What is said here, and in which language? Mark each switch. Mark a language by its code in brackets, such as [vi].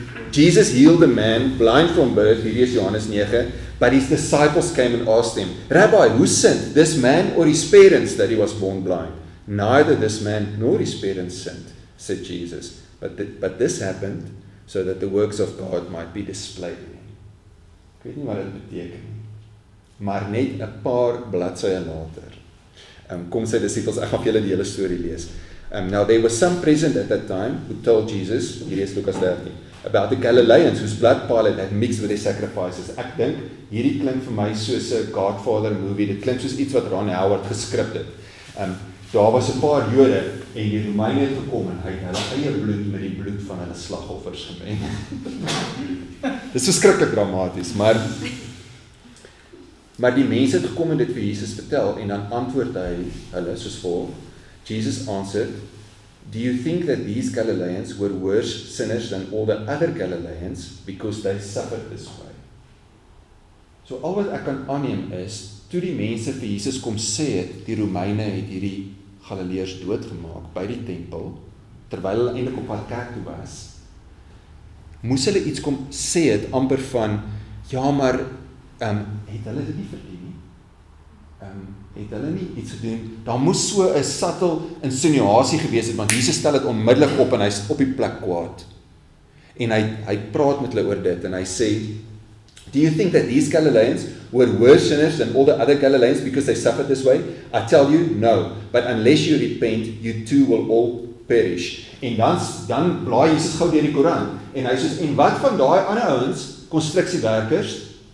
[en] Jesus healed a man blind from birth, [af] hierdie is Johannes 9, [en] but his disciples came and asked him, Rabbi, who sinned, this man or his parents, that he was born blind? Neither this man nor his parents sinned, said Jesus, but this happened so that the works of God might be displayed in him. [af] Ek weet nie wat dit beteken, maar net 'n paar bladsye later, kom sy disciples, ek gaan julle die hele story lees. [en] Now there was some present at that time who told Jesus, [af] hier is Lukas 13, [en] about the Galileans whose blood Pilate had mixed with their sacrifices. [af] Ek dink, hierdie klink vir my soos 'n Godfather movie, dit klink soos iets wat Ron Howard geskrip het. Daar was 'n paar jode, en die Romeine het gekom, en hy het hulle eie bloed met die bloed van hulle slagoffers gemeng. Dit is verskriklik dramatisch, maar die mense het gekom en dit vir Jesus vertel, en dan antwoord hy hulle soos volg. [en] Jesus answered, do you think that these Galileans were worse sinners than all the other Galileans, because they suffered this way? [af] So al wat ek kan aanneem is, toe die mense vir Jesus kom sê, die Romeine het hierdie Galileërs doodgemaak by die tempel, terwyl hulle eindelijk op haar kerk toe was, moes hulle iets kom sê het, amper van, ja maar, het hulle dit nie verdien nie? het hulle nie iets gedoen. Daar moes so 'n subtle insinuasie gewees het, want Jesus stel dit onmiddellik op en hy is op die plek kwaad. En hy praat met hulle oor dit en hy sê, [en] "Do you think that these Galileans were worse sinners than all the other Galileans because they suffered this way? I tell you, no. But unless you repent, you too will all perish." [af] En dan blaai Jesus gou deur die Koran en hy sê, "En wat van daai ander ouens, konstruksiewerkers?"